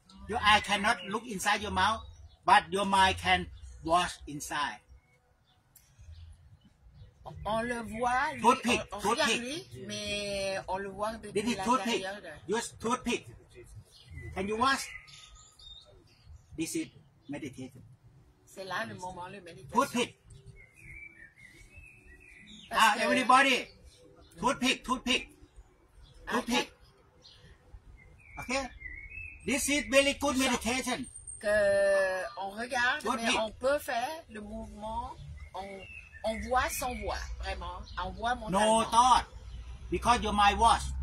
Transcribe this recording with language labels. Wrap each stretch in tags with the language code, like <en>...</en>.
<en>Your eye cannot look inside your mouth, but your mind can watch inside.</en> <fr>On le voit.</fr> <en>Toothpick. Toothpick.</en> <fr>Mais on le voit depuis l'intérieur.</fr> <en>This is toothpick. Use toothpick. Can you watch? This is meditation.</en> <fr>C'est là le moment de méditation.</fr> <en>Toothpick. Everybody, toothpick. Toothpick. Okay. This is very good meditation.</en> <fr>Que on regarde, mais on peut faire le mouvement. On voit sans voir, vraiment. On voit mon.</fr> <en>No thought, because your mind was.</en>